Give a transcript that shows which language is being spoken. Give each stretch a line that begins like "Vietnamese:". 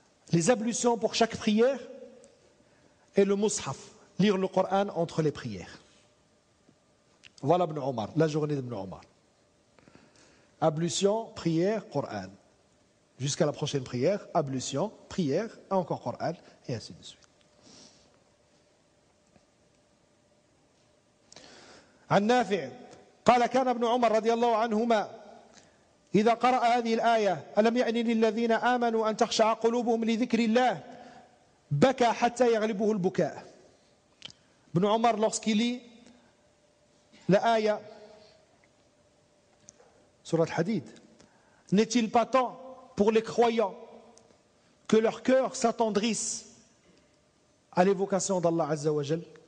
French: Les ablutions pour chaque prière et le mushaf, lire le Coran entre les prières. Voilà Ibn Omar, la journée d'Ibn Omar. Ablution, prière, Coran. Jusqu'à la prochaine prière, ablution, prière, encore Coran, et ainsi de suite.
Arabic: عن نافع قال كان ابن عمر رضي الله عنهما إذا قرأ هذه الآية ألم يعني للذين آمنوا أن تخشع قلوبهم لذكر الله بكى حتى يغلبه البكاء.
French: ابن عمر lorsqu'il lit l'آية سورة الحديد, n'est-il pas temps pour les croyants que leur cœur s'attendrisse à l'évocation d'Allah Azza wa Jal?